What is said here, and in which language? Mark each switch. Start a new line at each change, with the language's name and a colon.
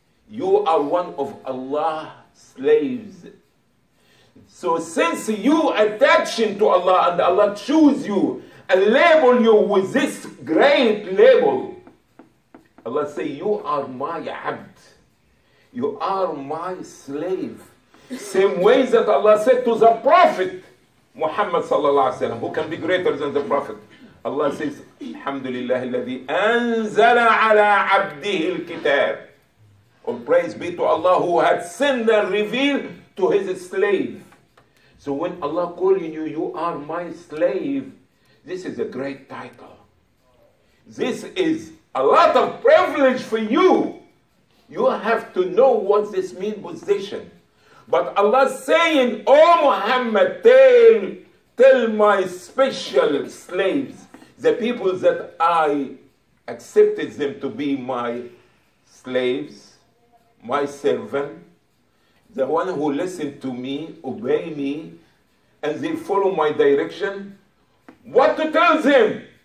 English: You are one of Allah's slaves. So since you attaching to Allah and Allah choose you and label you with this great label, Allah say, you are my abd. You are my slave. Same way that Allah said to the Prophet Muhammad sallallahu alaihi wasallam, who can be greater than the Prophet? Allah says,
Arabic: Alhamdulillah, الذي أنزل على عبده الكتاب.
English: All praise be to Allah who had sent and revealed to his slave. So when Allah calling you, you are my slave, this is a great title. This is a lot of privilege for you. You have to know what this mean position. But Allah saying, oh Muhammad, tell my special slaves, the people that I accepted them to be my slaves, my servant, the one who listened to me, obey me, and they follow my direction, what to tell them?